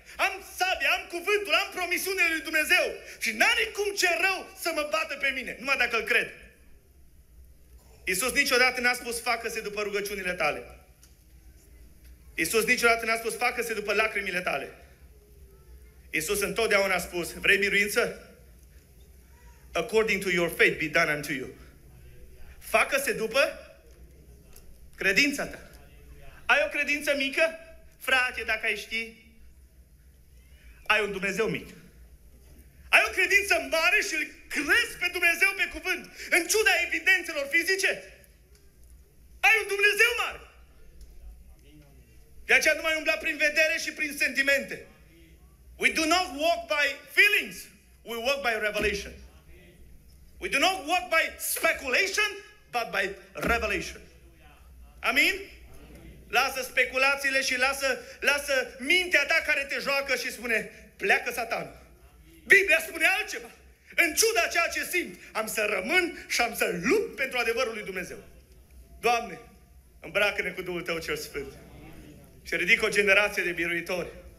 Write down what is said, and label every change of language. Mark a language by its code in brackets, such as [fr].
[ro] Am sabia, am cuvântul, am promisiunile lui Dumnezeu. Și n-are cum ce rău să mă bată pe mine, numai dacă îl cred. Iisus niciodată n-a spus, facă-se după rugăciunile tale. Iisus niciodată n-a spus, facă-se după lacrimile tale. Iisus întotdeauna a spus, vrei miruință? [en] According to your faith be done unto you. [ro] Facă-se după credința ta. Ai o credință mică? Frate, dacă ai ști... Ai un Dumnezeu mic. Ai o credință mare și îl crezi pe Dumnezeu pe cuvânt, în ciuda evidențelor fizice. Ai un Dumnezeu mare. De aceea nu mai umbla prin vedere și prin sentimente. [en] We do not walk by feelings. We walk by revelation. We do not walk by speculation, but by revelation. [ro] Amin? Lasă speculațiile și lasă mintea ta care te joacă și spune, pleacă Satan. Biblia spune altceva. În ciuda ceea ce simt, am să rămân și am să lupt pentru adevărul lui Dumnezeu. Doamne, îmbracă-ne cu Duhul Tău cel Sfânt. Și ridic o generație de biruitori.